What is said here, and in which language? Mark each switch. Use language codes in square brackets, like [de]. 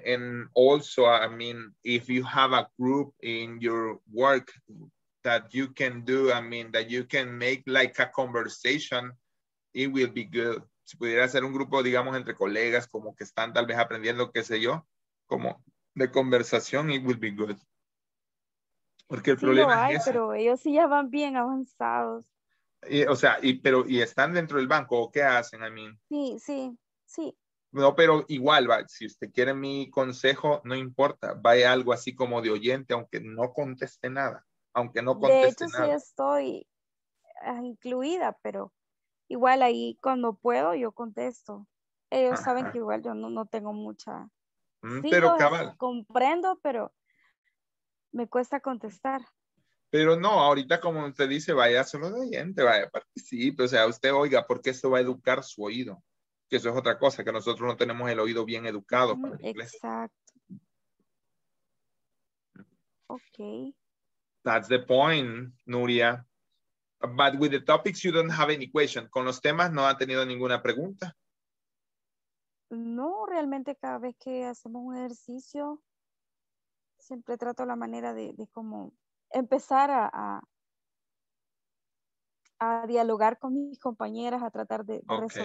[en] And also, I mean, if you have a group in your work that you can do, I mean, that you can make like a conversation, it will be good. [es] Si pudiera hacer un grupo, digamos, entre colegas, como que están tal vez aprendiendo, qué sé yo, como de conversación, [en] it will be good. [es] Porque el sí, problema hay, es ese. Pero ellos sí ya van bien avanzados. Y, o sea, y, pero, ¿y están dentro del banco o qué hacen? [en] I mean, [es] sí, sí, sí. No, pero igual, va, si usted quiere mi consejo, no importa. Vaya algo así como de oyente, aunque no conteste nada. Aunque no conteste de hecho, nada. Sí estoy incluida, pero igual ahí cuando puedo yo contesto. Ellos ajá. Saben que igual yo no tengo mucha. Sí, pero cabal. Comprendo, pero me cuesta contestar. Pero no, ahorita como usted dice, vaya solo de oyente, vaya, participe. O sea, usted oiga, porque esto va a educar su oído. Que eso es otra cosa, que nosotros no tenemos el oído bien educado para el inglés. Exacto. Ok. [en] That's the point, Nuria. But with the topics, you don't have any question. [es] Con los temas, ¿no ha tenido ninguna pregunta? No, realmente cada vez que hacemos un ejercicio, siempre trato la manera de como empezar a dialogar con mis compañeras, a tratar de okay.